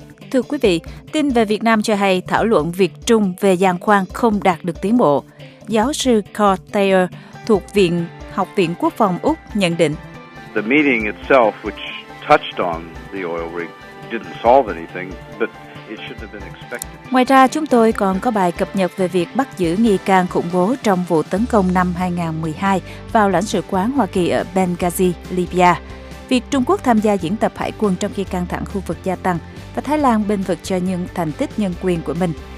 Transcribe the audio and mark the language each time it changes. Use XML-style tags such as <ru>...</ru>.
<vi>Thưa quý vị, tin về Việt Nam cho hay thảo luận Việt Trung về giàn khoan không đạt được tiến bộ. Giáo sư Carl Thayer thuộc Viện Học viện Quốc phòng Úc nhận định.</vi> <en>The meeting itself, which touched on the oil rig, didn't solve anything, but it should have been expected.</en> <vi>Ngoài ra, chúng tôi còn có bài cập nhật về việc bắt giữ nghi can khủng bố trong vụ tấn công năm 2012 vào lãnh sự quán Hoa Kỳ ở Benghazi, Libya. Việc Trung Quốc tham gia diễn tập hải quân trong khi căng thẳng khu vực gia tăng và Thái Lan bênh vực cho những thành tích nhân quyền của mình.</vi>